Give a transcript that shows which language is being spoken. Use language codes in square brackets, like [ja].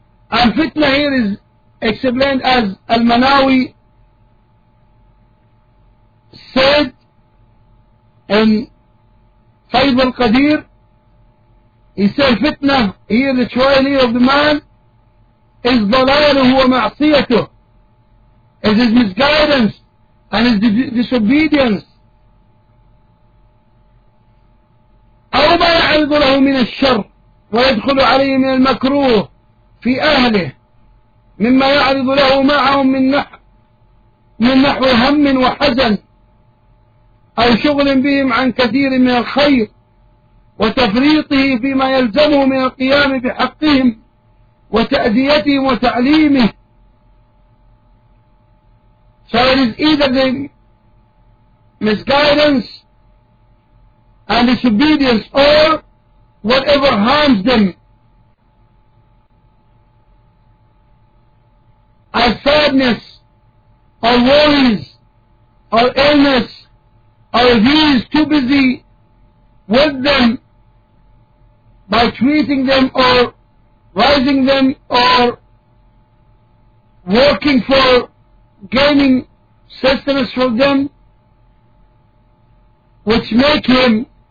[en] And fitna here is explained as Al-Manawi said in Faid al-Qadir, he said fitna here, the trial here of the man is [ar] dhalaluhu wa ma'siyatuh, [en] is his misguidance and his disobedience. [ar] أو ما يعرض له من الشر ويدخل عليه من المكروه في أهله مما يعرض له معهم من نحو هم وحزن أو شغل بهم عن كثير من الخير وتفريطه فيما يلزمه من القيام بحقهم وتأديتهم وتعليمه، [en] so it is either the misguidance and disobedience or whatever harms them. As sadness or worries or illness, or if he is too busy with them by treating them or rising them or working for gaining sustenance from them, which make him